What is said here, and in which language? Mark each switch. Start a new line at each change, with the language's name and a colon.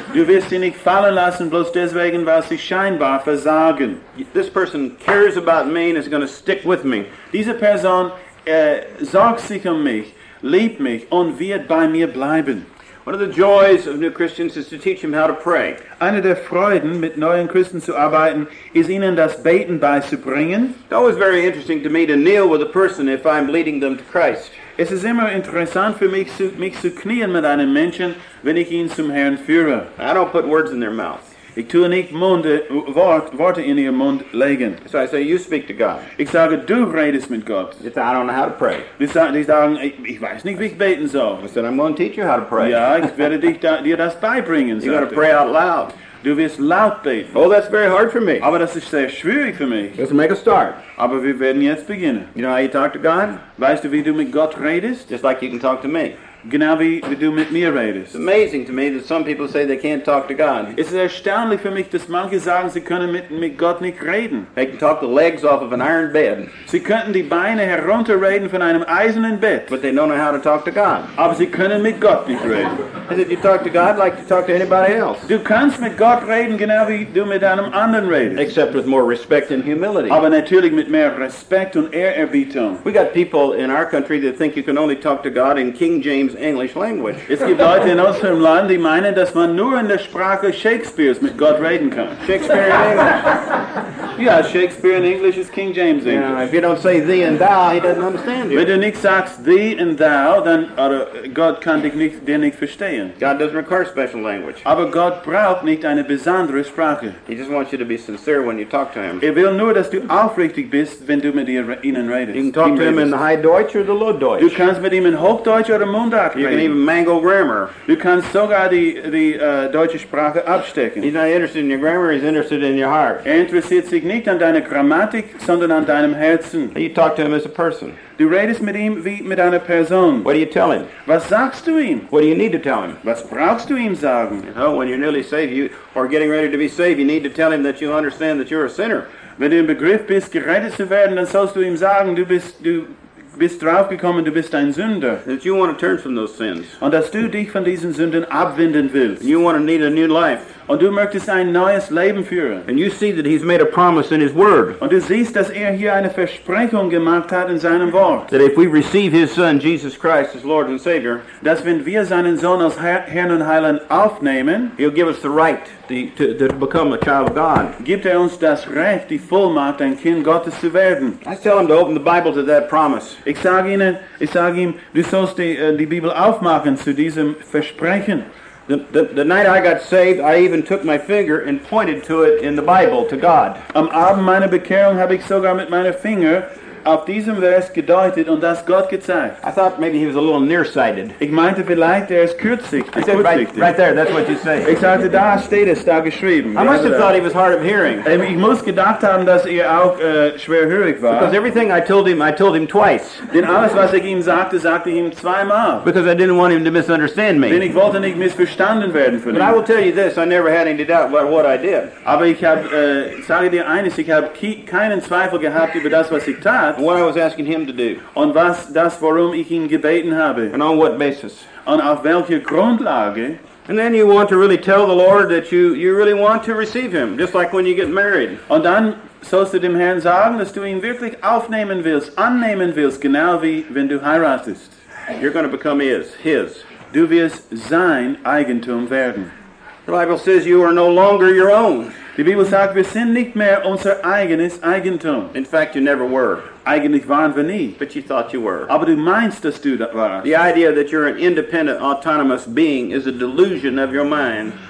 German: Du wirst sie nicht fallen lassen, bloß deswegen, weil sie scheinbar versagen.
English: This person cares about me and is going to stick with me.
German: Diese Person sorgt sich mich, liebt mich und wird bei mir bleiben.
English: One of the joys of new Christians is to teach them how to pray.
German: Eine der Freuden, mit neuen Christen zu arbeiten, ist ihnen das Beten beizubringen.
English: It's always very interesting to me to kneel with a person if I'm leading them to Christ.
German: Es ist immer interessant für mich zu knien mit einem Menschen, wenn ich ihn zum Herrn führe.
English: I don't put words in their mouth.
German: Ich tue nicht Worte in ihr Mund legen.
English: So I say, you speak to God.
German: Ich sage, du redest mit Gott.
English: I don't know how to pray.
German: Die sagen, ich weiß nicht, wie ich beten soll.
English: I said, I'm going to teach you how to pray.
German: Ja, ich werde dir das beibringen.
English: You got to pray out loud.
German: Du wirst laut beten.
English: Oh, that's very hard for me.
German: Aber das ist sehr schwierig für mich.
English: Let's make a start.
German: Aber wir werden jetzt beginnen.
English: You know how you talk to God?
German: Weißt du, wie du mit Gott redest?
English: Just like you can talk to me.
German: Genau wie du mit mir redest.
English: It's amazing to me that some people say they can't talk to God.
German: Es ist erstaunlich für mich, dass manche sagen, sie können mit Gott nicht reden.
English: They can talk the legs off of an iron bed.
German: Sie könnten die Beine herunterreden von einem eisernen Bett.
English: But they don't know how to talk to God.
German: Aber sie können mit Gott nicht reden.
English: I said, you talk to God like you talk to anybody else.
German: Du kannst mit Gott reden, genau wie du mit einem anderen redest.
English: Except with more respect and humility.
German: Aber natürlich mit mehr Respekt und Ehrerbietung.
English: We got people in our country that think you can only talk to God in King James English language.
German: Es gibt Leute in unserem Land, die meinen, dass man nur in der Sprache Shakespeares mit Gott reden kann.
English: Shakespeare in English. Yeah, Shakespeare in English is King James English. Yeah, if you don't say thee and thou, he doesn't understand you.
German: Wenn du nicht sagst
English: thee and thou,
German: dann Gott kann dich nicht verstehen.
English: God doesn't require special language.
German: Aber Gott braucht nicht eine besondere Sprache.
English: He just wants you to be sincere when you talk to him.
German: Er will nur, dass du aufrichtig bist, wenn du mit ihnen redest.
English: You can talk to him in High Deutsch or the Low Deutsch.
German: Du kannst mit ihm in Hochdeutsch oder Mundart reden.
English: You can even mangle grammar.
German: Du kannst sogar die deutsche Sprache abstecken.
English: He's not interested in your grammar, he's interested in your heart.
German: Interessiert sich nicht an deiner Grammatik, sondern an deinem Herzen.
English: You talk to him as a person.
German: Du redest mit ihm wie mit einer Person.
English: What do you tell him?
German: Was sagst du ihm?
English: What do you need to tell him?
German: Was brauchst du ihm sagen?
English: You know, when you're nearly saved, you are getting ready to be saved, you need to tell him that you understand that you're a sinner.
German: Wenn du im Begriff bist, gerettet zu werden, dann sollst du ihm sagen, du bist draufgekommen, du bist ein Sünder.
English: That you want to turn from those sins.
German: Und dass du dich von diesen Sünden abwenden willst.
English: You want to need a new life.
German: Und du möchtest ein neues Leben führen.
English: And you see that he's made a promise in his word.
German: Und du siehst, dass er hier eine Versprechung gemacht hat in seinem Wort.
English: That if we receive his son, Jesus Christ, as Lord and Savior,
German: dass wenn wir seinen Sohn als Herrn und Heiland aufnehmen,
English: he'll give us the right to become a child of God.
German: Gibt er uns das Recht, die Vollmacht, ein Kind Gottes zu werden.
English: I tell him to open the Bible to that promise.
German: Ich sage ihm, du sollst die Bibel aufmachen zu diesem Versprechen.
English: The night I got saved, I even took my finger and pointed to it in the Bible, to God.
German: Am Abend meiner Bekehrung habe ich sogar mit meinem Finger auf diesem Vers gedeutet und das Gott gezeigt.
English: I thought maybe he was a little nearsighted.
German: Ich meinte vielleicht, er ist kurzsichtig.
English: I said, right there, that's what you say.
German: Ich sagte, da steht es, da geschrieben.
English: I must have thought he was hard of hearing.
German: Ich muss gedacht haben, dass er auch schwerhörig war.
English: Because everything I told him twice.
German: Denn alles, was ich ihm sagte, sagte ich ihm zweimal.
English: Because I didn't want him to misunderstand me.
German: Denn ich wollte nicht missverstanden werden von ihm.
English: But I will tell you this, I never had any doubt about what I did.
German: Aber ich habe, sage dir eines, ich habe keinen Zweifel gehabt über das, was ich tat.
English: What I was asking him to do.
German: Und was das, warum ich ihn gebeten habe.
English: And on what basis.
German: Und auf welcher Grundlage.
English: And then you want to really tell the Lord that you really want to receive him. Just like when you get married.
German: Und dann sollst du dem Herrn sagen, dass du ihn wirklich aufnehmen willst, annehmen willst, genau wie wenn du heiratest.
English: You're going to become his.
German: Du wirst sein Eigentum werden.
English: The Bible says you are no longer your own.
German: Die Bibel sagt, wir sind nicht mehr unser eigenes Eigentum.
English: In fact, you never were.
German: Eigentlich waren wir nie.
English: But you thought you were.
German: Aber du meinst, dass du das warst.
English: The idea that you're an independent, autonomous being is a delusion of your mind.